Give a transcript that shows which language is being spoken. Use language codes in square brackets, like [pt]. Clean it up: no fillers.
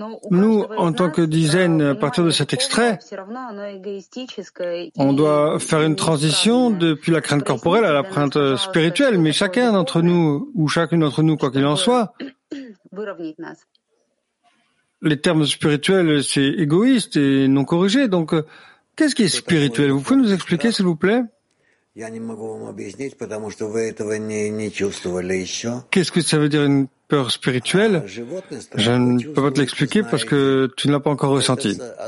[fr] Nous, en tant que dizaine, à partir de cet extrait, on doit faire une transition depuis la crainte corporelle à la crainte spirituelle, mais chacun d'entre nous, ou chacune d'entre nous, quoi qu'il en soit, les termes spirituels, c'est égoïste et non corrigé. Donc, qu'est-ce qui est spirituel? Vous pouvez nous expliquer, s'il vous plaît? [ru] Я не могу вам объяснить, потому что вы этого не чувствовали еще. [fr] Qu'est-ce que ça veut dire une peur spirituelle? Je ne peux pas te l'expliquer parce que tu ne l'as pas encore ressenti.